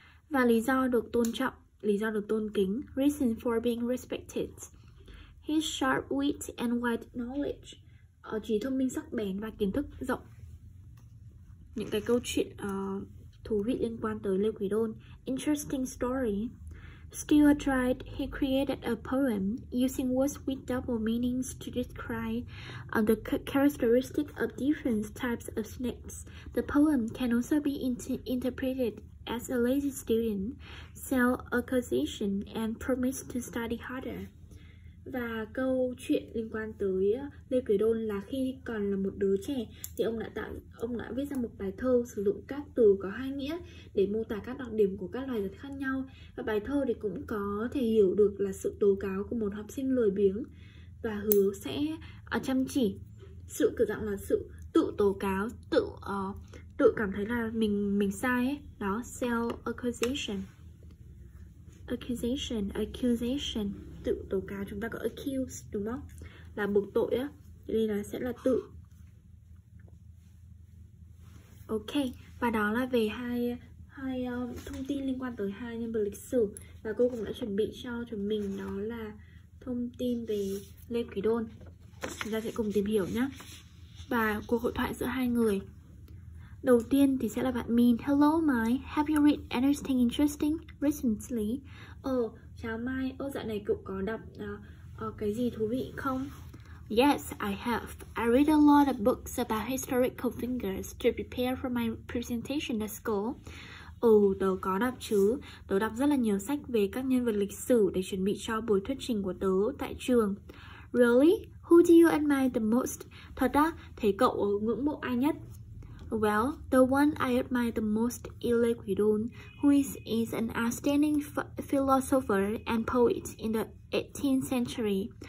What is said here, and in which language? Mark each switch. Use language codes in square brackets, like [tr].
[vi] Và lý do được tôn trọng, lý do được tôn kính, [en] reason for being respected, his sharp wit and wide knowledge, [vi] trí thông minh sắc bén và kiến thức rộng. Những cái câu chuyện thú vị liên quan tới Lê Quý Đôn, [en] interesting story. Still tried, he created a poem using words with double meanings to describe the characteristic of different types of snakes. The poem can also be interpreted as a lazy student, self accusation, and promise to study harder. [vi] Và câu chuyện liên quan tới Lê Quý Đôn là khi còn là một đứa trẻ thì ông đã viết ra một bài thơ sử dụng các từ có hai nghĩa để mô tả các đặc điểm của các loài vật khác nhau. Và bài thơ thì cũng có thể hiểu được là sự tố cáo của một học sinh lười biếng và hứa sẽ chăm chỉ. Sự cử dạng là sự tự tố cáo, tự cảm thấy là mình sai ấy. [en] Đó, self accusation. [vi] Tự tố cáo, chúng ta có accuse đúng không, là buộc tội á, nên là sẽ là tự. Ok, và đó là về hai thông tin liên quan tới hai nhân vật lịch sử, và cô cũng đã chuẩn bị cho chúng mình đó là thông tin về Lê Quý Đôn. Chúng ta sẽ cùng tìm hiểu nhé. Và cuộc hội thoại giữa hai người đầu tiên thì sẽ là bạn Min. [en] Hello Mai, have you read anything interesting recently? [vi] Chào Mai, dạo này cậu có đọc cái gì thú vị không? [en] Yes, I have. I read a lot of books about historical figures to prepare for my presentation at school. [vi] Tớ có đọc chứ. Tớ đọc rất là nhiều sách về các nhân vật lịch sử để chuẩn bị cho buổi thuyết trình của tớ tại trường. [en] Really? Who do you admire the most? [vi] Thật á, thấy cậu ngưỡng mộ ai nhất? [en] Well, the one I admire the most is Lê Quý Đôn, who is an outstanding philosopher and poet in the 18th century.